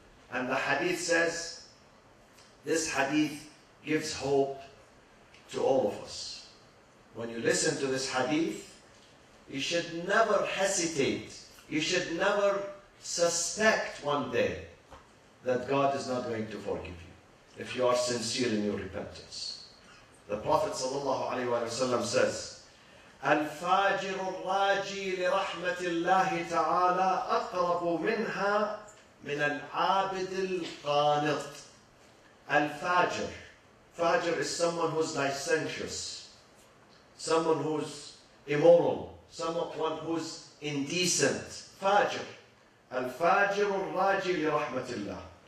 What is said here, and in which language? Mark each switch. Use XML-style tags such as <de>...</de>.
<en>And the hadith says, this hadith gives hope to all of us. When you listen to this hadith, you should never hesitate. You should never suspect one day that God is not going to forgive you if you are sincere in your repentance. The Prophet sallallahu alaihi wasallam says,</en> <ar>الفاجر الراجي لرحمة الله تعالى أقرب منها من العابد القانط. الفاجر.</ar> <en>Fajr is someone who's licentious, someone who's immoral, someone who's indecent. Fajr.</en> <ar>الفاجر الراجي لرحمة الله.</ar>